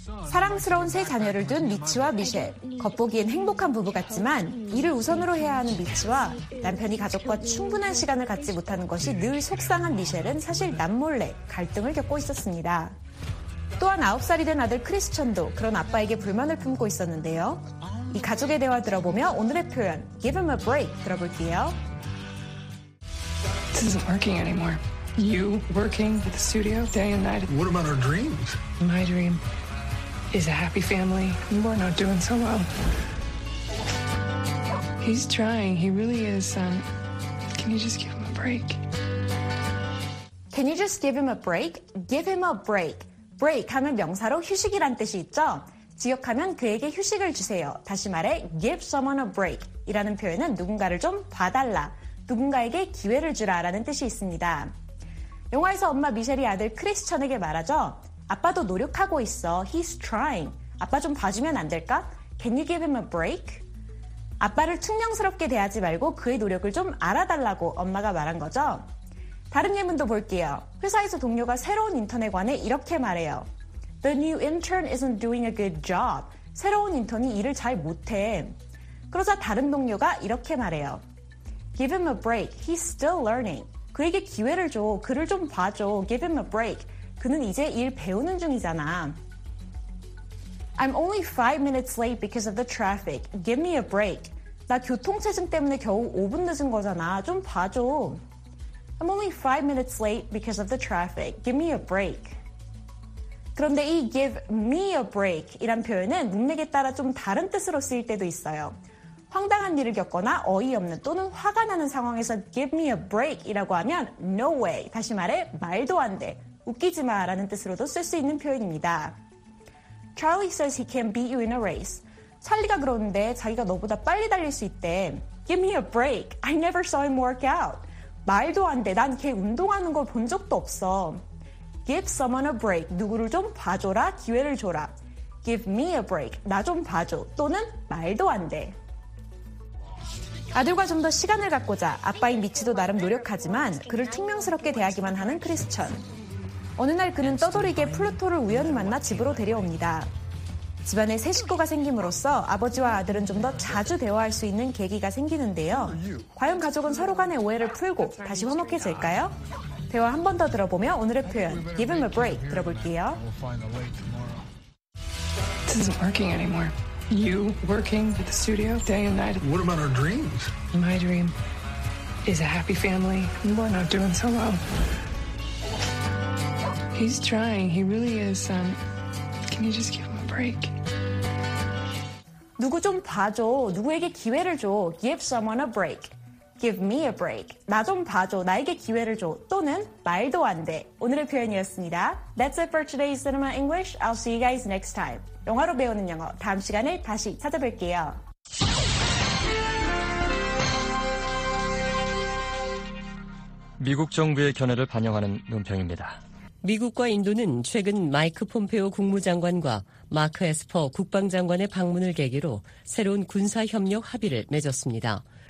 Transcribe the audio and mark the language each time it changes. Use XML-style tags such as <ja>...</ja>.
<ko>사랑스러운 새 자녀를 둔 미치와 미셸. 겉보기엔 행복한 부부 같지만 일을 우선으로 해야 하는 미치와 남편이 가족과 충분한 시간을 갖지 못하는 것이 늘 속상한 미셸은 사실 남몰래 갈등을 겪고 있었습니다. 또한 9살이 된 아들 크리스천도 그런 아빠에게 불만을 품고 있었는데요. 이 가족의 대화 들어보며 오늘의 표현</ko> <en>Give him a break</en> <ko>들어볼게요.</ko> <en>This isn't working anymore. You working at the studio day and night. What about our dreams? My dream is a happy family. We're not doing so well. He's trying. He really is. Can you just give him a break? Can you just give him a break? Give him a break.</en> <ko>Break 하면 명사로 휴식이란 뜻이 있죠. 지역하면 그에게 휴식을 주세요. 다시 말해</ko> <en>give someone a break</en> <ko>이라는 표현은 누군가를 좀 봐달라, 누군가에게 기회를 주라 라는 뜻이 있습니다. 영화에서 엄마 미셸이 아들 크리스천에게 말하죠. 아빠도 노력하고 있어.</ko> <en>He's trying.</en> <ko>아빠 좀 봐주면 안 될까?</ko> <en>Can you give him a break?</en> <ko>아빠를 퉁명스럽게 대하지 말고 그의 노력을 좀 알아달라고 엄마가 말한 거죠. 다른 예문도 볼게요. 회사에서 동료가 새로운 인턴에 관해 이렇게 말해요.</ko> <en>The new intern isn't doing a good job.</en> <ko>새로운 인턴이 일을 잘 못해. 그러자 다른 동료가 이렇게 말해요.</ko> <en>Give him a break. He's still learning.</en> <ko>그에게 기회를 줘. 그를 좀 봐줘.</ko> <en>Give him a break.</en> <ko>그는 이제 일 배우는 중이잖아.</ko> <en>I'm only 5 minutes late because of the traffic. Give me a break.</en> <ko>나 교통체증 때문에 겨우 5분 늦은 거잖아. 좀 봐줘. I'm only 5 minutes late because of the traffic. Give me a break. 그런데 이</ko> <en>give me a break</en> <ko>이란 표현은 문맥에 따라 좀 다른 뜻으로 쓰일 때도 있어요. 황당한 일을 겪거나 어이없는 또는 화가 나는 상황에서</ko> <en>give me a break</en> <ko>이라고 하면</ko> <en>no way,</en> <ko>다시 말해 말도 안 돼, 웃기지 마 라는 뜻으로도 쓸 수 있는 표현입니다.</ko> <en>Charlie says he can beat you in a race.</en> <ko>찰리가 그러는데 자기가 너보다 빨리 달릴 수 있대.</ko> <en>Give me a break. I never saw him work out.</en> <ko>말도 안 돼. 난 걔 운동하는 걸 본 적도 없어.</ko> <en>Give someone a break.</en> <ko>누구를 좀 봐줘라. 기회를 줘라.</ko> <en>Give me a break.</en> <ko>나 좀 봐줘. 또는 말도 안 돼. 아들과 좀 더 시간을 갖고자 아빠인 미치도 나름 노력하지만 그를 퉁명스럽게 대하기만 하는 크리스천. 어느 날 그는 떠돌이게 플루토를 우연히 만나 집으로 데려옵니다. 집안에 새 식구가 생김으로써 아버지와 아들은 좀 더 자주 대화할 수 있는 계기가 생기는데요. 과연 가족은 서로 간의 오해를 풀고 다시 화목해질까요? 대화 한 번 더 들어보며 오늘의 표현</ko> <en>Give him a break</en> <ko>들어볼게요.</ko> <en>This isn't working anymore. You working at the studio day and night. What about our dreams? My dream is a happy family. We're not doing so well. He's trying. He really is. Can you just give him a break?</en> <ko>누구 좀 봐줘. 누구에게 기회를 줘.</ko> <en>Give someone a break. Give me a break.</en> <ko>나 좀 봐줘. 나에게 기회를 줘. 또는 말도 안 돼. 오늘의 표현이었습니다.</ko> <en>That's it for today's Cinema English. I'll see you guys next time.</en> <ko>영화로 배우는 영어. 다음 시간에 다시 찾아뵐게요.</ko> <en>Mr. Trump's opinion.</en> <ko>미국과 인도는 최근 마이크 폼페오 국무장관과 마크 에스퍼 국방장관의 방문을 계기로 새로운 군사협력 합의를 맺었습니다.</ko>